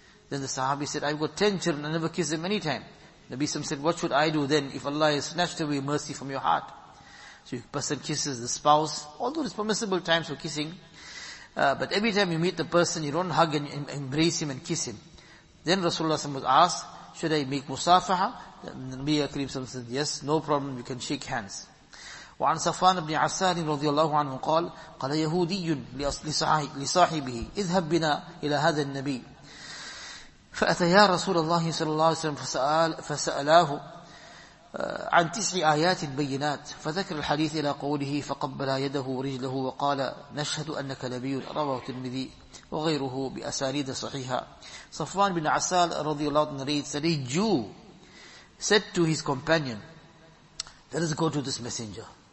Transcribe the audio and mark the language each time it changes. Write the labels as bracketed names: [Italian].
[English] Then the Sahabi said, I've got 10 children, I never kiss them any time. Nabi Sallam said, what should I do then if Allah has snatched away mercy from your heart? So a person kisses the spouse, although it's permissible times for kissing, but every time you meet the person, you don't hug and embrace him and kiss him. Then Rasulullah sallallahu alaihi wasallam was asked, should I make musafaha? Then Nabi Akrim sallallahu alaihi wasallam said, yes, no problem, you can shake hands. [Arabic] وعن صفوان بن عسال رضي الله عنه قال قال يهودي لصاحبه اذهب بنا إلى هذا النبي فأتيا رسول الله صلى الله عليه وسلم فسألاه عن 9 آيات بينات فذكر الحديث إلى قوله فقبل يده ورجله وقال نشهد أنك نبي رواه الترمذي وغيره بأسانيد صحيحة. [English] صفوان بن عسال رضي الله عنه said, a Jew said to his companion, let us go to this messenger.